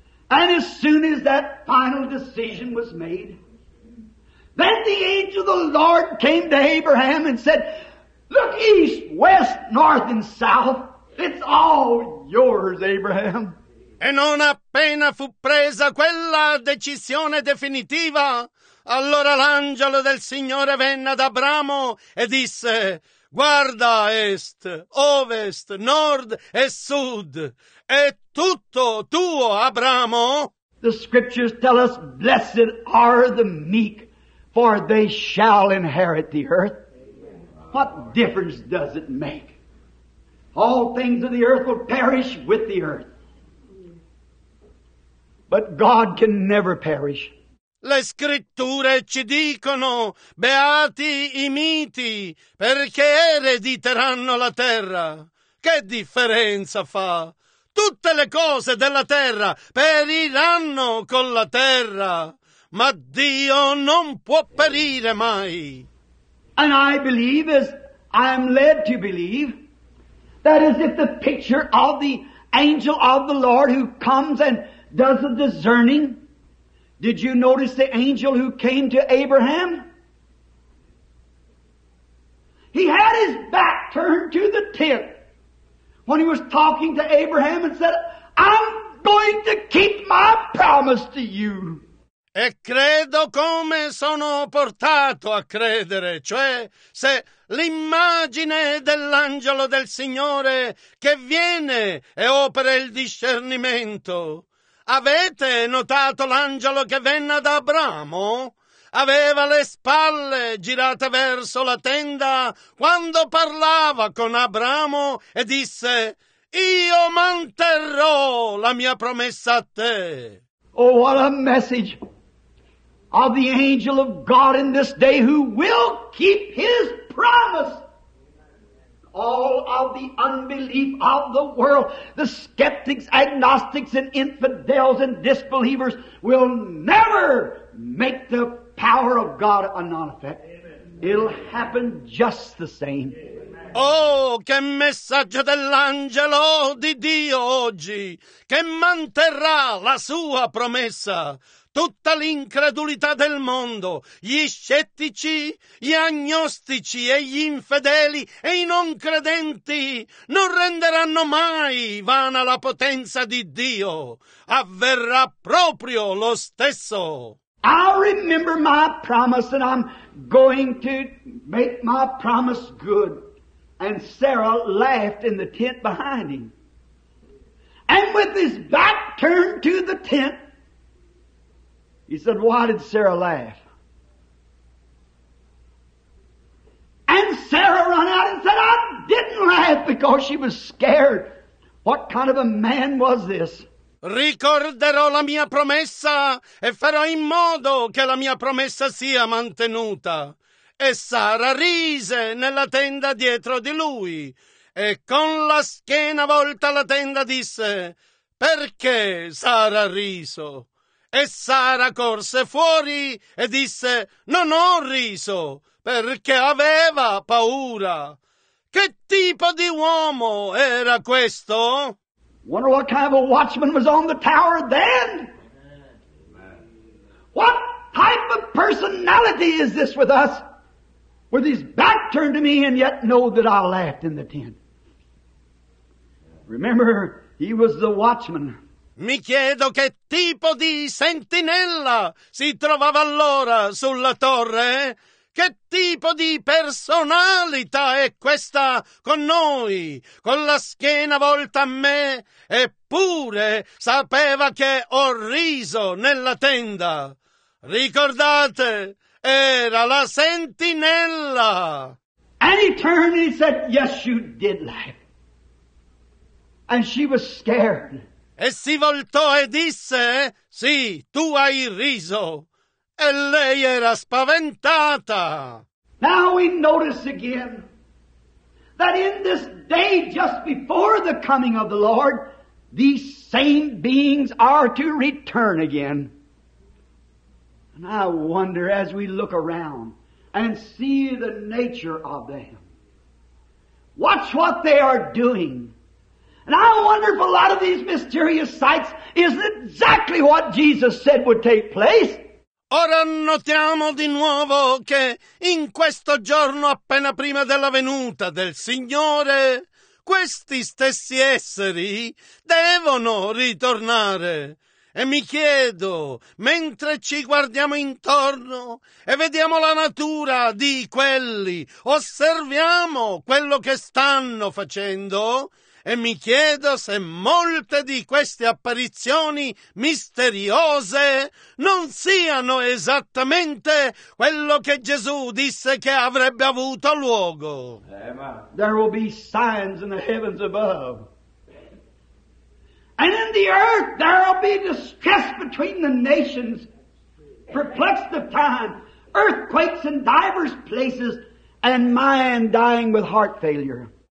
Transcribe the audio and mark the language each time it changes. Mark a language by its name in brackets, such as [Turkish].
[English] And as soon as that final decision was made, then the angel of the Lord came to Abraham and said, look east, west, north, and south. It's all yours, Abraham. [Italian] E non appena fu presa quella decisione definitiva, allora l'angelo del Signore venne ad Abramo e disse, guarda est, ovest, nord e sud, è tutto tuo, Abramo. [English] The scriptures tell us, blessed are the meek, for they shall inherit the earth. What difference does it make? All things of the earth will perish with the earth. But God can never perish. [Italian] Le scritture ci dicono, beati i miti, perché erediteranno la terra. Che differenza fa? Tutte le cose della terra periranno con la terra. Ma Dio non può perire mai. [English] And I believe, as I am led to believe, that is if the picture of the angel of the Lord who comes and does the discerning. Did you notice the angel who came to Abraham? He had his back turned to the tent when he was talking to Abraham and said, I'm going to keep my promise to you. [Italian] E credo come sono portato a credere, cioè se l'immagine dell'angelo del Signore che viene e opera il discernimento. Avete notato l'angelo che venne ad Abramo? Aveva le spalle girate verso la tenda quando parlava con Abramo e disse, io manterrò la mia promessa a te. [English] Oh, what a message of the angel of God in this day who will keep his promise. All of the unbelief of the world, the skeptics, agnostics, and infidels and disbelievers will never make the power of God a non-effect. It'll happen just the same. [Italian] Oh, che messaggio dell'angelo di Dio oggi, che manterrà la sua promessa. Tutta l'incredulità del mondo, gli scettici, gli agnostici e gli infedeli e i non credenti non renderanno mai vana la potenza di Dio. Avverrà proprio lo stesso. [English] I'll remember my promise and I'm going to make my promise good. And Sarah laughed in the tent behind him. And with his back turned to the tent, he said, why did Sarah laugh? And Sarah ran out and said, I didn't laugh because she was scared. What kind of a man was this? [Italian] Ricorderò la mia promessa e farò in modo che la mia promessa sia mantenuta. E Sara rise nella tenda dietro di lui e con la schiena volta alla tenda disse, perché Sara riso? E Sara corse fuori e disse, non ho riso, perché aveva paura. Che tipo di uomo era questo? [English] Wonder what kind of a watchman was on the tower then? What type of personality is this with us? With his back turned to me and yet know that I laughed in the tent. Remember, he was the watchman. [Italian] Mi chiedo che tipo di sentinella si trovava allora sulla torre. Che tipo di personalità è questa con noi, con la schiena volta a me, eppure sapeva che ho riso nella tenda. Ricordate, era la sentinella. [English] And he turned and he said, yes, you did laugh. And she was scared. [Italian] E si voltò e disse, Sì, tu hai riso. E lei era spaventata. [English] Now we notice again that in this day just before the coming of the Lord, these same beings are to return again. And I wonder as we look around and see the nature of them. Watch what they are doing. And I wonder if a lot of these mysterious sights is exactly what Jesus said would take place. [Italian] Ora notiamo di nuovo che in questo giorno appena prima della venuta del Signore, questi stessi esseri devono ritornare. E mi chiedo, mentre ci guardiamo intorno e vediamo la natura di quelli, osserviamo quello che stanno facendo, e mi chiedo se molte di queste apparizioni misteriose non siano esattamente quello che Gesù disse che avrebbe avuto luogo. [English] There will be signs in the heavens above. And in the earth there will be distress between the nations, perplexed the time, earthquakes in diverse places, and man dying with heart failure.